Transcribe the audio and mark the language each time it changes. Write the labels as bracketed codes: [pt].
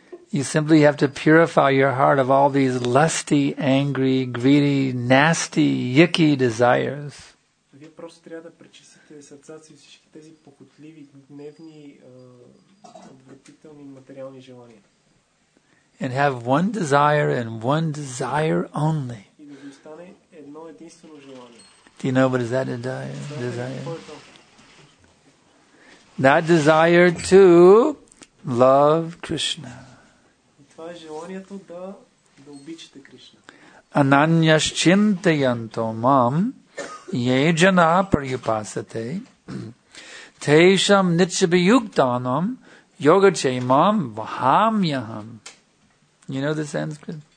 [en] You simply have to purify your heart of all these lusty, angry, greedy, nasty, yucky desires. [bg] Вие просто трябва да пречистите сърцата си всички тези похотливи, гневни, отвратителни материални желания. [en] And have one desire and one desire only. [bg] И да ви остане едно единствено желание. [en] Do you know what is that desire? That desire to love Krishna. [bg] Това е желанието да обичате Кришна. [sa] Ананяшчинтаянто мам ye jana paryupasate tesham nichabhiyuktanam yogachemam vahamyaham. [en] You know the Sanskrit?